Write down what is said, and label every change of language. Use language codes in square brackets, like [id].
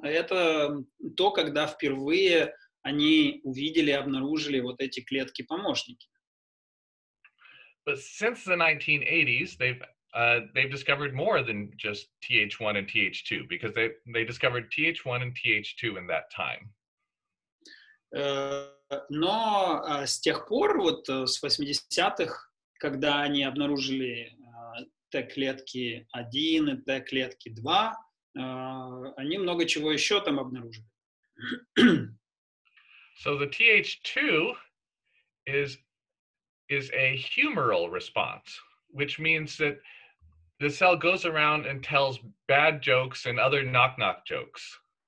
[ru] Это то, когда впервые они увидели, обнаружили вот эти клетки-помощники. [en] But since the 1980s, they've discovered more than just Th1 and Th2, because they discovered Th1 and Th2 in that time. [ru] Но с тех пор, вот с 80-х, когда они обнаружили Т-клетки 1 и Т-клетки 2, они много чего еще там обнаружили. [en] So the Th2 is a humoral response, which means that the cell goes around and tells bad jokes and other knock-knock jokes.